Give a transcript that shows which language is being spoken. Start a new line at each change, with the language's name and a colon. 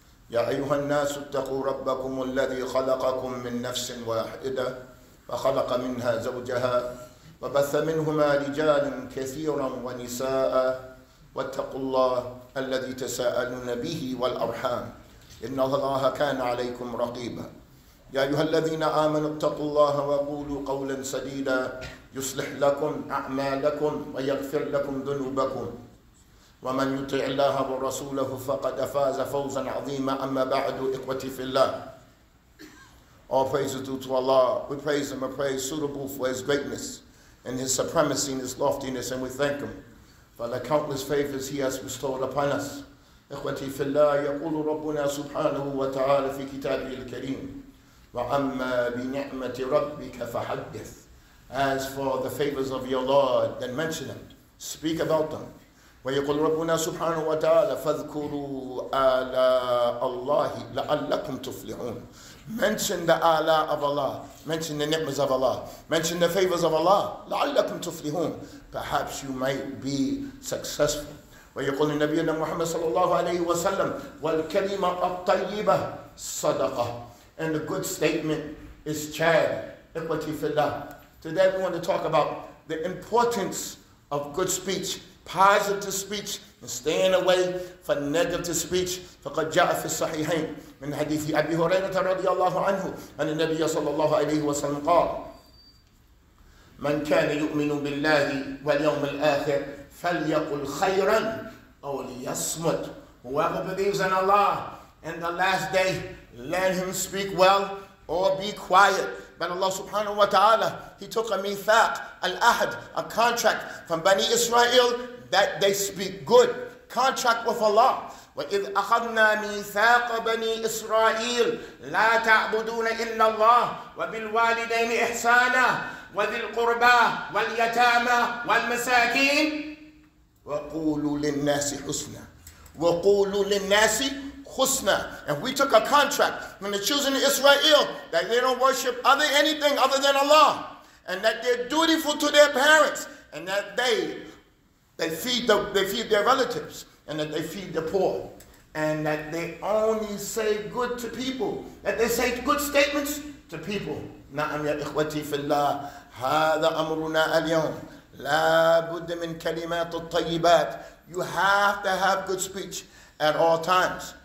Arabic: يا أيها الناس اتقوا ربكم الذي خلقكم من نفس واحدة وخلق منها زوجها وبث منهما رجالا كثيرا ونساء، واتقوا الله الذي تساءلون به والأرحام، إن الله كان عليكم رقيبا. يا أيها الذين آمنوا اتقوا الله وقولوا قولا سديدا يصلح لكم أعمالكم ويغفر لكم ذنوبكم، ومن يطع الله ورسوله فقد فاز فوزا عظيما. أما بعد، إخوتي في الله،
English: all praise is due to Allah. We praise Him a praise suitable for His greatness and His supremacy and His loftiness, and we thank Him for the countless favors He has bestowed upon us.
Arabic: إخوتي في الله، يقول ربنا سبحانه وتعالى في كتابه الكريم: وأما بنعمة ربك فحدث.
English: As for the favors of your Lord, then mention them, speak about them.
Arabic: ويقول ربنا سبحانه وتعالى: فاذكروا آلاء الله لعلكم تفلحون.
English: Mention the ala of Allah, mention the ni'mas of Allah, mention the favors of Allah,
Arabic: لعلكم تفلحون.
English: Perhaps you might be successful.
Arabic: ويقول نبينا محمد صلى الله عليه وسلم: والكلمة الطيبة صدقة.
English: And a good statement is charity.
Arabic: إخوتي في الله.
English: Today we want to talk about the importance of good speech, positive speech, and staying away from negative speech.
Arabic: فقد جاء في الصحيحين من حديث أبي هريرة رضي الله عنه أن النبي صلى الله عليه وسلم قال: من كان يؤمن بالله واليوم الآخر فليقل خيرا أو ليصمت.
English: Whoever believes in Allah and the last day, let him speak well or be quiet. But Allah subhanahu wa ta'ala, He took a mithaq, al-ahd, a contract from Bani Israel that they speak good. Contract with Allah.
Arabic: وَإِذْ أَخَذْنَا مِيثَاقَ بَنِي إِسْرَائِيلَ لَا تَعْبُدُونَ إِلَّا اللَّهَ وَبِالْوَالِدَيْنِ إِحْسَانًا وَذِي الْقُرْبَى وَالْيَتَامَى وَالْمَسَاكِينَ وَقُولُوا لِلنَّاسِ حُسْنًا. وَقُولُوا لِلنَّاسِ Husna.
English: And we took a contract from the children of Israel that they don't worship anything other than Allah, and that they're dutiful to their parents, and that they feed their relatives, and that they feed the poor, and that they only say good to people, that they say good statements to people.
Arabic: نعم يا إخوتي في الله، هذا أمرنا اليوم. لا بد من كلمات الطيبات.
English: You have to have good speech at all times.